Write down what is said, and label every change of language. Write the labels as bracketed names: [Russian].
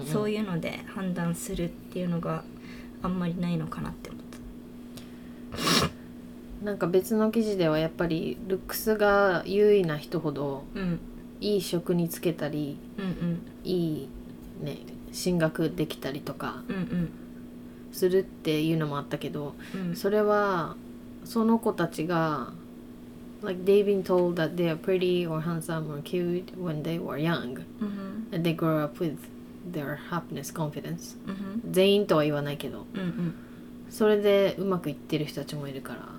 [Japanese] うん、そういうので判断するっていうのがあんまりないのかなって思ったなんか別の記事ではやっぱりルックスが優位な人ほど、うん、いい職に就けたり、うんうん、いい、ね、進学できたりとか、うんうんするっていうのもあったけど、うん、それはその子たちが [English] like they've been told that they are pretty or handsome or cute when they were young、うん、 and they grow up with their happiness confidence、うん、 [Japanese] 全員とは言わないけど、うんうん、それでうまくいってる人たちもいるから